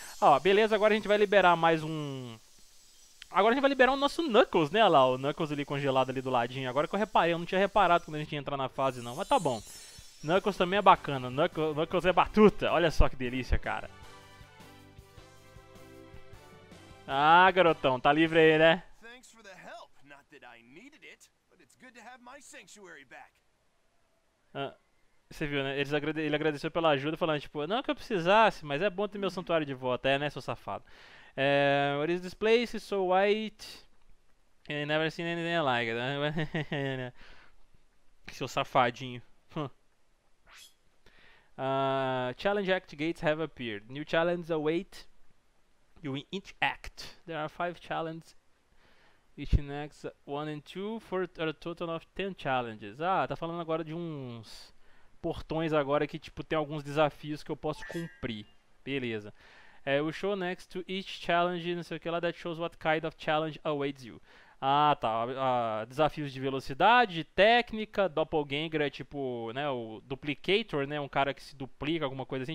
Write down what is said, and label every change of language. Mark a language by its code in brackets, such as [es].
[pt] Ó, beleza, agora a gente vai liberar mais um... Agora a gente vai liberar o nosso Knuckles, né, lá, o Knuckles ali congelado ali do ladinho. Agora que eu reparei, eu não tinha reparado quando a gente ia entrar na fase não, mas tá bom. Knuckles também é bacana, Knuckles é batuta, olha só que delícia, cara. Ah, garotão, tá livre aí, né? [en] Thanks for the help. Not that I needed it, but it's good to have my sanctuary back. [pt] Você viu, né? Ele agradeceu pela ajuda, falando tipo, não que eu precisasse, mas é bom ter meu santuário de volta, é, né, seu safado. [en] What is this place? It's so white. I never seen anything like it. [pt] Seu safadinho. [en] Challenge act gates have appeared. New challenges await. You win each act. There are 5 challenges. Each in acts 1 and 2 for a total of 10 challenges. [pt] Ah, tá falando agora de uns portões agora que tipo tem alguns desafios que eu posso cumprir. Beleza. [en] We show next to each challenge, [pt] não sei o que lá, [en] that shows what kind of challenge awaits you. [pt] Ah, tá. Desafios de velocidade, técnica, doppelganger é tipo, né, o duplicator, né, um cara que se duplica, alguma coisa assim.